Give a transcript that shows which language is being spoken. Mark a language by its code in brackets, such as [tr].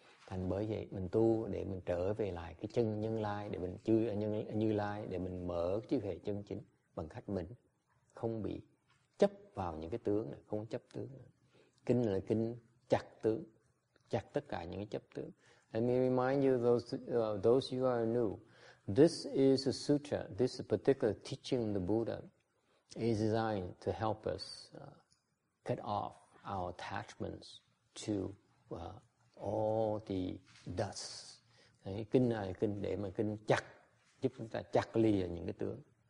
[vi] Thành bởi vậy mình tu để mình trở về lại cái chân Như Lai, để mình chư nhân Như Lai, để mình mở trí huệ chân chính bằng cách mình không bị chấp vào những cái tướng này, không chấp tướng. Kinh là kinh chặt tướng, chặt tất cả những cái chấp tướng. [en] Let me remind you, those you are new, this is a sutra, this particular teaching of the Buddha is designed to help us cut off our attachments to all the dust. [vi] Kinh này kinh để mà kinh chặt, giúp chúng ta chặt lìa những cái tướng.